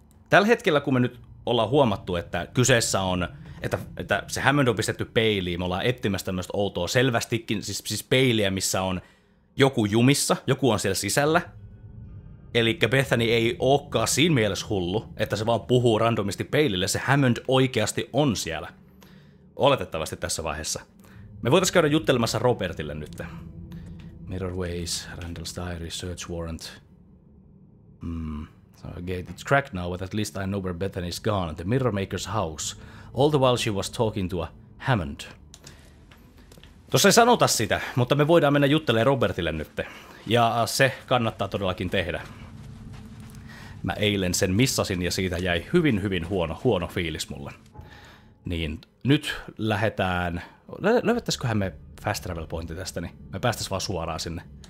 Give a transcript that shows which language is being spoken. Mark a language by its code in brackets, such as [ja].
[fi] Tällä hetkellä, kun me nyt ollaan huomattu, että kyseessä on, että se Hammond on pistetty peiliin, me ollaan etsimässä tämmöistä outoa selvästikin, siis peiliä, missä on joku jumissa, joku on siellä sisällä. Elikkä Bethany ei olekaan siinä mielessä hullu, että se vaan puhuu randomisti peilille, se Hammond oikeasti on siellä. Oletettavasti tässä vaiheessa. Me voitais käydä juttelemassa Robertille nyt. [en] Mirror Ways, Randall's Diary, Search Warrant. So a gate is cracked now, but at least I know where Bethany is gone. The Mirror Maker's house. All the while she was talking to a Hammond. [fi] Tuossa ei sanota sitä, mutta me voidaan mennä juttelemaan Robertille nyt. Ja se kannattaa todellakin tehdä. Mä eilen sen missasin ja siitä jäi hyvin hyvin huono fiilis mulle. Niin nyt lähetään. Löydettäisiköhän me fast travel pointin tästä, niin me päästäis vaan suoraan sinne.